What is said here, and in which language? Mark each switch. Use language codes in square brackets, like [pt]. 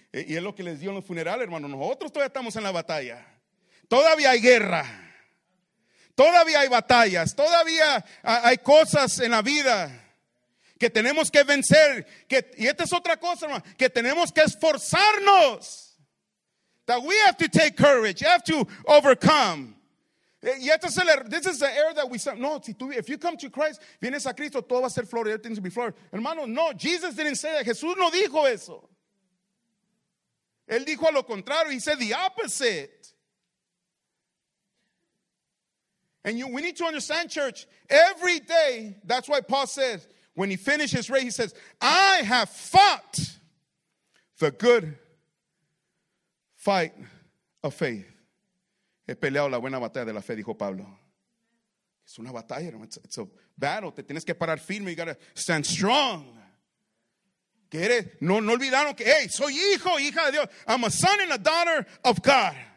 [es] Y es lo que les dio en los funerales, hermanos. Nosotros todavía estamos en la batalla. Todavía hay guerra. Todavía hay batallas. Todavía hay cosas en la vida que tenemos que vencer, que, y esta es otra cosa, hermano, que tenemos que esforzarnos. [en] That we have to take courage, you have to overcome. [es] Y esta es el, [en] this is the era that we serve. [es] No, si tú, [en] if you come to Christ, [es] vienes a Cristo, todo va a ser flores, [en] everything will be [es] flores. Hermano, no, [en] Jesus didn't say that. [es] Jesús no dijo eso. Él dijo a lo contrario, [en] he said the opposite. And you, we need to understand, church, every day, that's why Paul says, when he finished his race, he says, I have fought the good fight of faith. [es] He peleado la buena batalla de la fe, dijo Pablo. Es una batalla, hermano. [en] It's a battle. [es] Te tienes que parar firme. [en] You got to stand strong. [es] ¿Qué eres? No, no olvidaron que, hey, soy hijo, hija de Dios. [en] I'm a son and a daughter of God.